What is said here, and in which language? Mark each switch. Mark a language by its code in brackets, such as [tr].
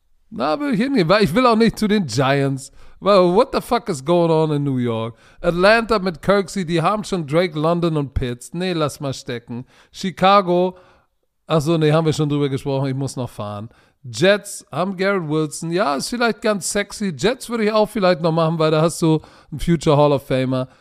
[de] Na, will ich hingehen, weil ich will auch nicht zu den Giants. [en] Well, what the fuck is going on in New York? [de] Atlanta mit Kirksey, die haben schon Drake, London und Pitts. Nee, lass mal stecken. Chicago, haben wir schon drüber gesprochen, ich muss noch fahren. Jets haben Garrett Wilson. Ja, ist vielleicht ganz sexy. Jets würde ich auch vielleicht noch machen, weil da hast du einen Future Hall of Famer.